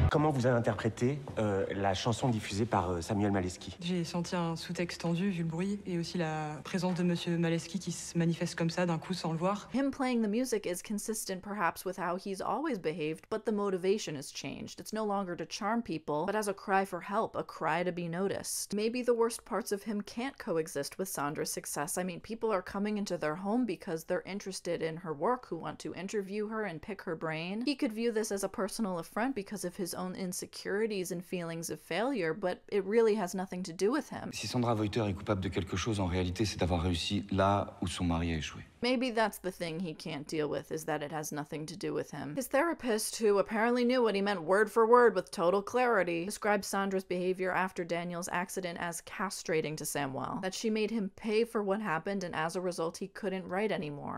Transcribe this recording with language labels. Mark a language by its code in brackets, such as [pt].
[fr] Comment vous avez interprété la chanson diffusée par Samuel Maleski? J'ai senti un sous-texte tendu vu le bruit et aussi la présence de Monsieur Maleski qui se manifeste comme ça d'un coup sans le voir. [en] Him playing the music is consistent perhaps with how he's always behaved, but the motivation has changed. It's no longer to charm people, but as a cry for help, a cry to be noticed. Maybe the worst parts of him can't coexist with Sandra's success. I mean, people are coming into their home because they're interested in her work, who want to interview her and pick her brain. He could view this as a personal affront because of his own insecurities and feelings of failure, but it really has nothing to do with him. [fr] Si Sandra Voiter est coupable de quelque chose, en réalité, c'est d'avoir réussi là où son mari a échoué. [en] Maybe that's the thing he can't deal with, is that it has nothing to do with him. His therapist, who apparently knew what he meant word for word with total clarity, described Sandra's behavior after Daniel's accident as castrating to Samuel, that she made him pay for what happened and as a result he couldn't write anymore.